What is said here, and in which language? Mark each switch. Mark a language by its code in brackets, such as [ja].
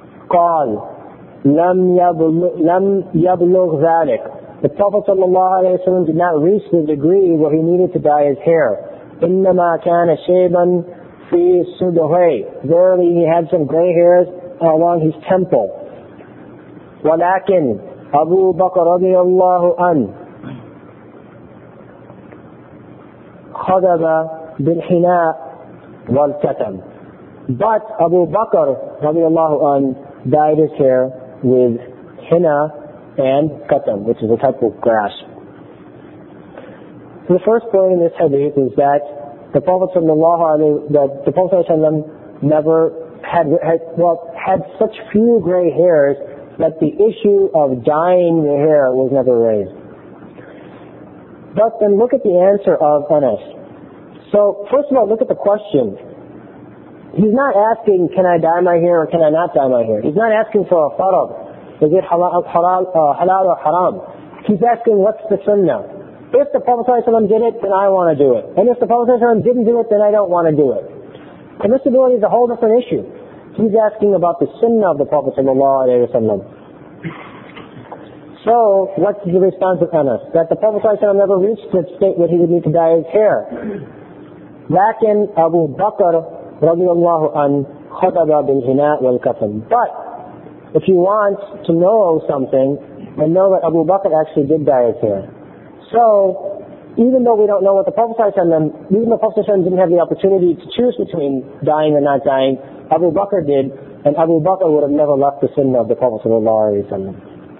[ar] قال لم يبلغ ذلك. [en] The Prophet sallallahu alaihi wasallam did not reach the degree where he needed to dye his hair. [ar] إنما كان شيبا في صدره. [en] Verily, he had some gray hairs along his temple. [ar] ولكن أبو بكر رضي الله عنه خضب بالحناء والكتم. [en] But Abu Bakr [ar] رضي الله عنه [en] dyed his hair with henna and katam, which is a type of grass. So the first point in this hadith is that the Prophet sallallahu alaihi that the Prophet sallallahu alaihi wasallam never had such few gray hairs that the issue of dyeing the hair was never raised. But then look at the answer of Anas. So, first of all, look at the question. He's not asking, can I dye my hair or can I not dye my hair? He's not asking for a farad. Is it halal or haram? He's asking, what's the sunnah? If the Prophet ﷺ did it, then I want to do it. And if the Prophet ﷺ didn't do it, then I don't want to do it. Permissibility is a whole different issue. He's asking about the sunnah of the Prophet ﷺ. So, what's the response of Anas? That the Prophet ﷺ never reached the state where he would need to dye his hair. [ar] لكن أبو بكر رضي الله عنه خطب بالحناء والكفن. [en] But if you want to know something, then know that Abu Bakr actually did dye his hair. So even though we don't know what the Prophet ﷺ, even though the Prophet ﷺ didn't have the opportunity to choose between dying and not dying, Abu Bakr did, and Abu Bakr would have never left the sunnah of the Prophet ﷺ.